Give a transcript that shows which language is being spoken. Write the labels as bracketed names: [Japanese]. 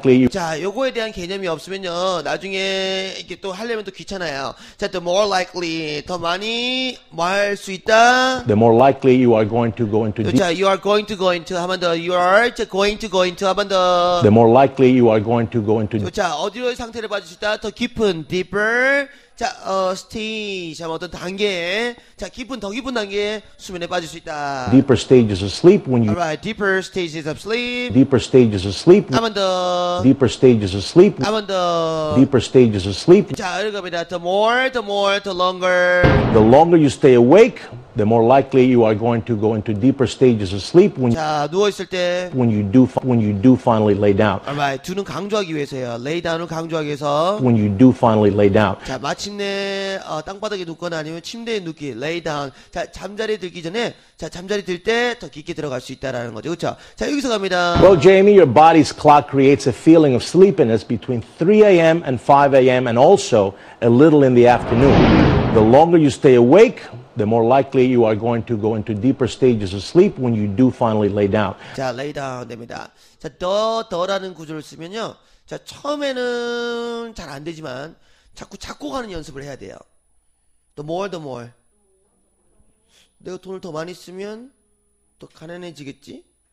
[Korean] 자, 요거에 대한 개념이 없으면요. 나중에 이렇게 또 하려면 또 귀찮아요. 자, [English] the more likely. [Korean] 더 많이 뭐 할 수 있다. [English] The more likely you are going to go into. 자, you are going to go into. [Korean] 한번 더. [English] You are going to go into. 한번 더. The more likely you are going to go into. [Korean] 자, 어디로의 상태를 봐줄 수 있다. 더 깊은. [English] Deeper. [Korean] 자, stage. 자, 어떤 단계에. 자, 깊은, 더 깊은 단계에 수면에 빠질 수 있다. [English] Deeper stages of sleep when you. Alright, deeper stages of sleep. Deeper stages of sleep. [Korean] 한번 더. [English] Deeper stages of sleep. [Korean] 한번 더. [English] Deeper stages of sleep. 자, [Korean] 이렇게 합니다. [English] The more, the longer. The longer you stay awake, the more likely you are going to go into deeper stages of sleep when. [Korean] 자, 누워있을 때. [English] When you do finally lay down. [Korean] Alright, 두는 강조하기 위해서요. [English] Lay down [Korean] 을 강조하기 위해서. [English] When you do finally lay down. [Korean] 자, 마침내 땅바닥에 눕거나 아니면 침대에 눕기 [English] lay down. [Korean] 자, 잠자리에 들기 전에 자, 잠자리 들 때 더 깊게 들어갈 수 있다라는 거죠. 그렇죠? 자, 여기서 갑니다. [English] Well, Jamie, your body's clock creates a feeling of sleepiness between 3 a.m. and 5 a.m. and also a little in the afternoon. The longer you stay awake, the more likely you are going to go into deeper stages of sleep when you do finally lay down. [Korean] 자, [English] lay down [Korean] 됩니다. 자, 더라는 구조를 쓰면요. 자, 처음에는 잘 안 되지만 자꾸 잡고 가는 연습을 해야 돼요. [English] The more. [Korean] 내가 돈을 더 많이 쓰면 더 가난해지겠지?